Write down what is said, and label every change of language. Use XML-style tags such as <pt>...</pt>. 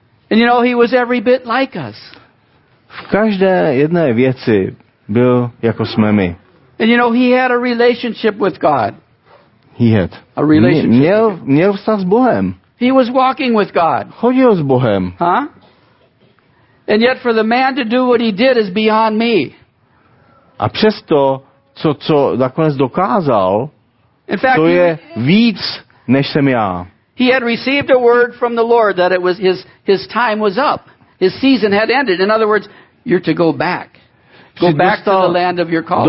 <en>And you know, he was every bit like us.</en> <cs>V každé jedné věci byl jako jsme my.</cs> <en>And you know, he had a relationship with God. He had. A relationship.</en> <cs>Měl vztah s Bohem.</cs> <en>He was walking with God.</en> <cs>Chodil s Bohem. Huh?</cs> <en>And yet for the man to do what he did is beyond me.</en> <cs>A přesto, co nakonec dokázal,</cs> <en>in fact,</en> <cs>to je víc, než jsem já.</cs> <en>He had received a word from the Lord that it was his time was up. His season had ended. In other words, you're to go back. Go back to the land of your calling.</en>